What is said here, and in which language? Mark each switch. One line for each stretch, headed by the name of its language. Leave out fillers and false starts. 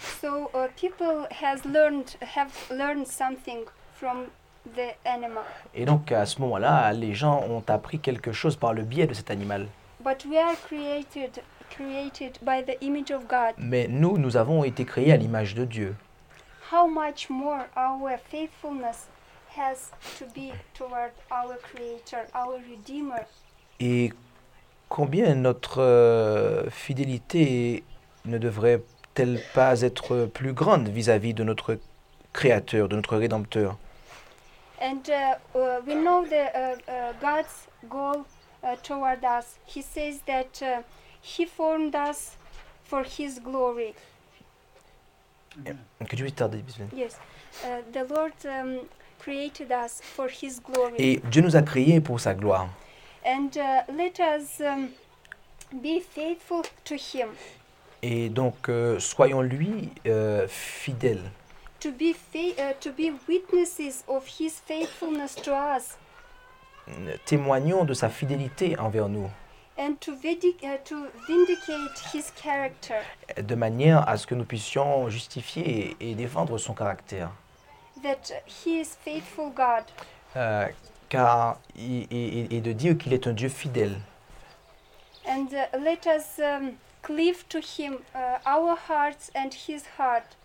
English: So people have learned something from. The animal.
French: Et donc à ce moment-là, les gens ont appris quelque chose par le biais de cet animal.
English: But we are created by the image of God.
French: Mais nous avons été créés à l'image de Dieu.
English: How much more our faithfulness has to be toward our Creator, our Redeemer.
French: Et combien notre fidélité ne devrait-elle pas être plus grande vis-à-vis de notre Créateur, de notre Rédempteur?
English: And we know that God's goal toward us. He says that He formed us for His glory. Could you retard it, please? Yes, the Lord created us for His glory.
French: Et Dieu nous a créés pour sa gloire.
English: And let us be faithful to Him.
French: Et donc soyons lui fidèles.
English: To be witnesses of His faithfulness to us.
French: Témoignons de sa fidélité envers nous.
English: And to vindicate His character.
French: De manière à ce que nous puissions justifier et défendre son caractère.
English: That He is faithful God.
French: Car et de dire qu'il est un Dieu fidèle.
English: And let us cleave to Him our hearts and His heart.